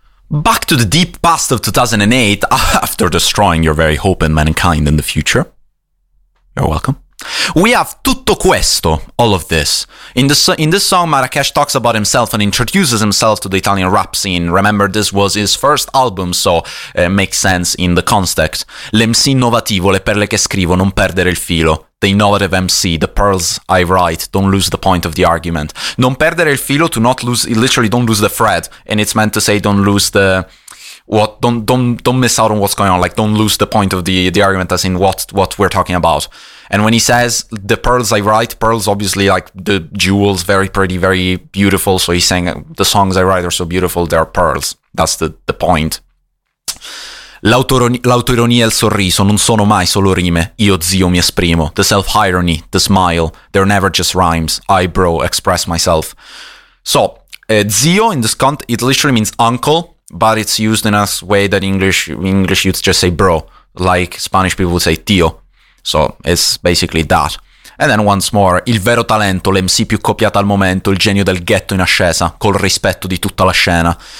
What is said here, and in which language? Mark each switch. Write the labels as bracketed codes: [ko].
[en] Back to the deep past of 2008, after destroying your very hope in mankind in the future. You're welcome. We have [it] tutto questo, [en] all of this. In this song, Marracash talks about himself and introduces himself to the Italian rap scene. Remember, this was his first album, so it makes sense in the context. [it] L'MC innovativo, le perle che scrivo, non perdere il filo. [en] The innovative MC, the pearls I write, don't lose the point of the argument. [it] Non perdere il filo, [en] to not lose, literally don't lose the thread. And it's meant to say don't lose the... What don't miss out on what's going on, like don't lose the point of the argument, as in what we're talking about. And when he says the pearls I write, pearls obviously like the jewels, very pretty, very beautiful. So he's saying the songs I write are so beautiful, they're pearls. That's the point. [it] L'autoironia e il sorriso non sono mai solo rime, io zio mi esprimo. [en] The self-irony, the smile, they're never just rhymes. I bro express myself. So zio in this context, it literally means uncle. But it's used in a way that English youths just say bro, like Spanish people would say tio. So it's basically that. And then once more, [it] il vero talento, l'MC più copiato al momento, il genio del ghetto in ascesa, col rispetto di tutta la scena.